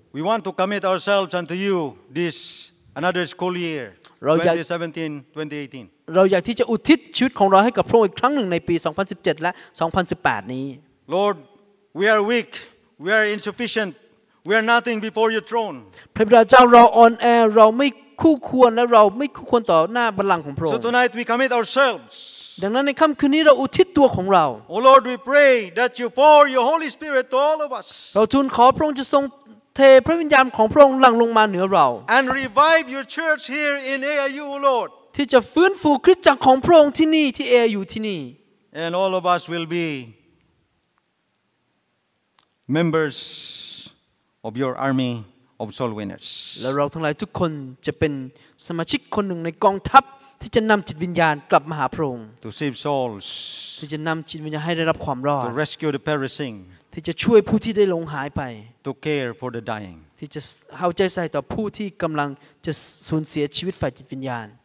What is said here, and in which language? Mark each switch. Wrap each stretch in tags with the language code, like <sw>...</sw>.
<en>We want to commit ourselves unto you this another school year 2017-2018</en> <th>เราอยากที่จะอุทิศชีวิตของเราให้กับพระองค์อีกครั้งหนึ่งในปี2017และ2018นี้</th> <en>Lord we are weak we are insufficient we are nothing before your throne</en> <th>พระเจ้าเราอ่อนแอเราไม่คู่ควรและเราไม่คู่ควรต่อหน้าบัลลังก์ของพระองค์</th> <en>So tonight we commit ourselves</en> <th>ดังนั้นในค่ำคืนนี้เราอุทิศตัวของเรา</th> <en>Oh Lord we pray that you pour your Holy Spirit to all of us</en> <th>เราทูลขอพระองค์จะทรงเทพระวิญญาณของพระองค์หลั่งลงมาเหนือเรา</th> <en>And revive your church here in AIU O Lord</en> <th>ที่จะฟื้นฟูคริสตจักรของพระองค์ที่นี่ที่ AIU ที่นี่</th> <en>And all of us will be members of your army of soul winners</en> <th>และเราทั้งหลายทุกคนจะเป็นสมาชิกคนหนึ่งในกองทัพที่จะนำจิตวิญญาณกลับมาหาพระองค์</th> <en>To save souls</en> <th>ที่จะนำจิตวิญญาณให้ได้รับความรอด</th> <en>To rescue the perishing</en> <th>ที่จะช่วยผู้ที่ได้หลงหายไป</th> <en>To care for the dying</en> <th>ที่จะเอาใจใส่ต่อผู้ที่กำลังจะสูญเสียชีวิตฝ่ายจิตวิญญาณ</th>